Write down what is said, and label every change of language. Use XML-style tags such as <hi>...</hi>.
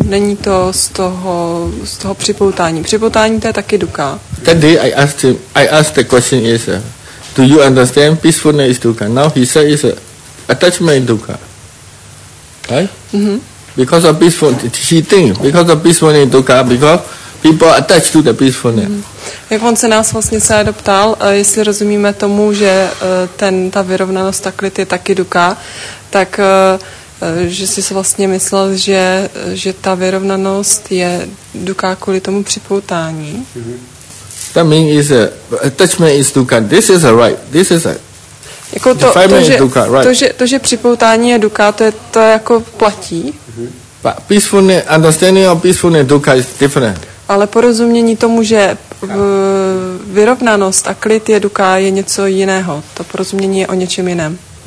<cs>Není to z toho připoutání. Připoutání to je taky dukkha. Tady</cs> <en>I asked the question is, do you understand peacefulness is dukkha? Now he said is attachment is dukkha, right? Mm-hmm. Because of peacefulness, he thinks because of peacefulness is dukkha because people attach to the peacefulness. Mm-hmm.</en> <cs>Jak on se nás vlastně se doptal, jestli rozumíme tomu, že ta vyrovnanost, ta klid je taky dukkha, tak že jsi se vlastně myslel, že ta vyrovnanost je dukkha kvůli tomu připoutání.</cs> <en>Mm-hmm. That means is attachment is dukkha. This is a right. This is a</en> <cs>jako to, že připoutání je dukkha, to jako platí. Mm-hmm.</cs> <en>But peacefulness, understanding of peacefulness dukkha is different.</en> <cs>Ale porozumění tomu, že vyrovnanost a klid je dukkha, je něco jiného. To porozumění je o něčem jiném.</cs>